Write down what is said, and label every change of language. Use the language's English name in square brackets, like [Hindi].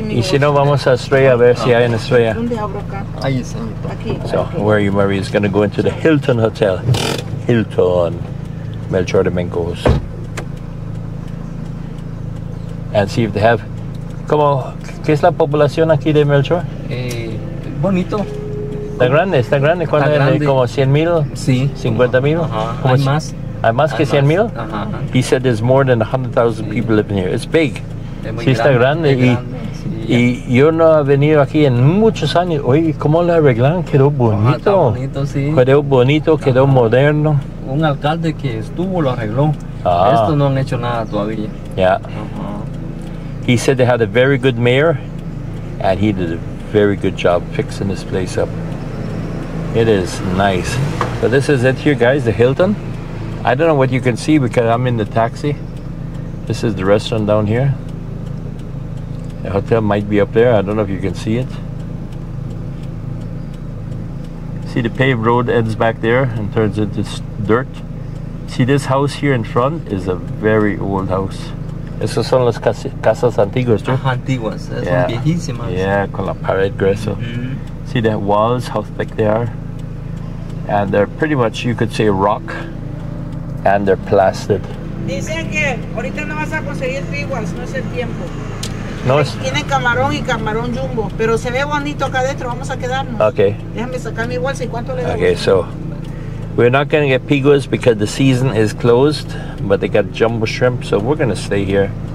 [Spanish] y si no, vamos a Estrella, a ver si hay en Estrella. ¿Dónde abro acá? Ahí está. Aquí. [English] So, [Spanish] aquí. [English] Where are you, Marie? Is going to go into the Hilton Hotel. Hilton. Melchor de Mencos. And see if they have... [Spanish] ¿Cómo? ¿Qué es la población aquí de Melchor? Bonito. Está grande, ¿cuánto es? ¿Como 100,000? Sí. ¿50,000? Ajá. Hay más. Hay más que 100,000? Ajá, ajá. [English] He said there's more than 100,000 people living here. It's big. [Spanish] Es sí, grande, está grande. Es y, grande. Sí, y yo no he venido aquí en muchos años. Oye, ¿cómo lo arreglaron? Quedó bonito. Ajá, bonito, sí. Quedó bonito, quedó ajá. Moderno. Un alcalde que estuvo lo arregló. Ajá. Esto no han hecho nada todavía. [English] Yeah. [Spanish] Ajá. [English] He said they had a very good mayor, and he did a very good job fixing this place up. It is nice. So this is it here, guys, the Hilton. I don't know what you can see because I'm in the taxi. This is the restaurant down here. The hotel might be up there. I don't know if you can see it. See, the paved road ends back there and turns into dirt. See, this house here in front is a very old house. [Spanish] Esas son las casas antiguas, ¿no? Antiguas. Yeah. Son viejísimas. Yeah, con la pared grueso. Mm-hmm. [English] See the walls, how thick they are. And they're pretty much, you could say, rock. And they're plastered. [Spanish] Dicen que ahorita no vas a conseguir piguas, no es el tiempo. No es. Tienen camarón y camarón jumbo, pero se ve bonito acá adentro, vamos a quedarnos. [English] Okay. [Spanish] Déjame sacar mi bolsa y cuánto le doy. [English] Okay, so we're not going to get piguas because the season is closed, but they got jumbo shrimp, so we're going to stay here.